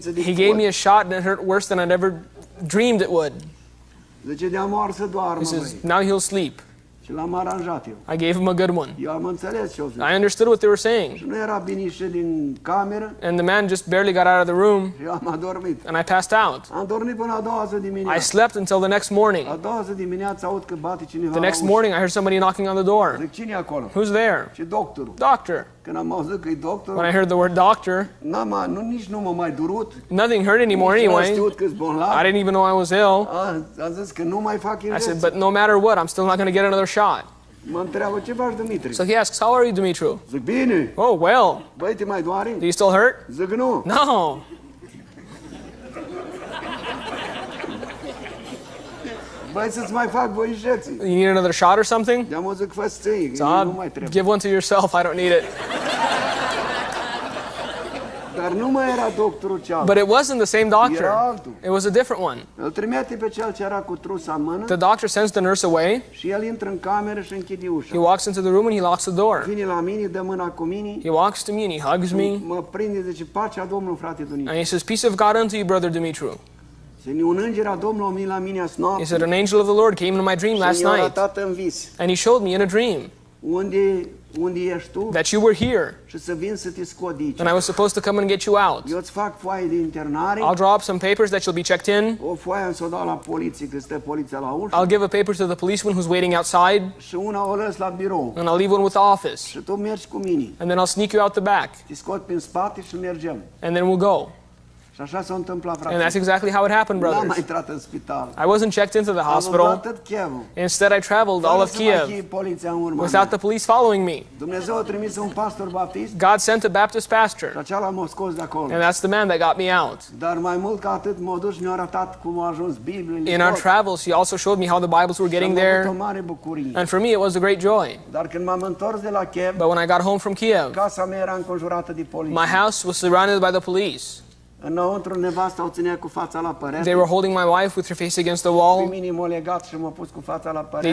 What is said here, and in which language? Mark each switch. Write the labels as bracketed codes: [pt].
[en] He gave me a shot and it hurt worse than I'd ever dreamed it would. He says, now he'll sleep. [ro] Și l-am aranjat eu. [en] I gave him a good one. [ro] Eu am înțeles ce au zis. [en] I understood what they were saying. [ro] Și nu era bine ieșit din cameră. [en] And the man just barely got out of the room. [ro] Eu am adormit. [en] And I passed out. [ro] Am dormit până a doua zi dimineață. [en] I slept until the next morning. [ro] A doua zi dimineață aud că bate cineva. [en] The next morning I heard somebody knocking on the door. [ro] Zic, cine e acolo? [en] Who's there? [ro] Și doctorul. Doctor. Când am auzit că e doctor. [en] When I heard the word doctor. [ro] Nu m-a mai durut. [en] Nothing hurt anymore anyway. I didn't even know I was ill. [ro] Am zis că nu mai fac injecții. [en] I said, but no matter what, I'm still not going to get another shot. [ro] Mă întreabă, ce faci, Dimitru? [en] So he asks, how are you, Dimitru? [ro] Zic, bine. [en] Oh, well. [ro] Băi, te mai doare? [en] Do you still hurt? [ro] Zic, nu. [en] No. [ro] Băi, să-ți mai fac voi injecții. [en] You need another shot or something? [ro] Am zis, fă-ți ție, nu mai trebuie. [en] Give one to yourself, I don't need it. [ro] Dar nu mai era doctorul cealaltă. [en] But it wasn't the same doctor. [ro] Era altul. [en] It was a different one. [ro] Îl trimite pe cel ce era cu trusa în mână. [en] The doctor sends the nurse away. [ro] Și el intră în cameră și închide ușa. [en] He walks into the room and he locks the door. [ro] Vine la mine, dă mâna cu mine. [en] He walks to me and he hugs me. [ro] Mă prinde, zice, pacea Domnului, frate Dumitru. [en] And he says, peace of God unto you, brother Dimitru. He said, an angel of the Lord came into my dream last night. And he showed me in a dream. [ro] Unde ești tu? [en] That you were here. [ro] Și să vin să te scot de aici. [en] And I was supposed to come and get you out. [ro] Eu îți fac foaie de internare. [en] I'll draw up some papers that you'll be checked in. [ro] O foaie să o dau la poliție, că stă poliția la ușă. [en] I'll give a paper to the policeman who's waiting outside. [ro] Și una o las la birou. [en] And I'll leave one with the office. [ro] Și tu mergi cu mine. [en] And then I'll sneak you out the back. [ro] Te scot prin spate și mergem. [en] And then we'll go. [ro] Și așa s-a întâmplat, frate. [en] And that's exactly how it happened, brothers. [ro] N-am mai intrat în spital. [en] I wasn't checked into the hospital. [ro] Am umblat Kiev. [en] Instead, I traveled all of Kiev without the police following me. [ro] Dumnezeu a trimis un pastor baptist. [en] God sent a Baptist pastor. [ro] Și acela m-a scos de acolo. [en] And that's the man that got me out. [ro] Dar mai mult ca atât, m-a dus și mi-a arătat cum a ajuns Biblia. [en] In our travels, he also showed me how the Bibles were getting there. [ro] Și am avut o mare bucurie. [en] And for me, it was a great joy. [ro] Dar când m-am întors de la Kiev, [en] but when I got home from Kiev, [ro] casa mea era înconjurată de poliție. [en] My house was surrounded by the police. [ro] Înăuntru nevasta o ținea cu fața la perete. [en] They were holding my wife with her face against the wall. [ro] Pe mine m-a legat și m-a pus cu fața la perete.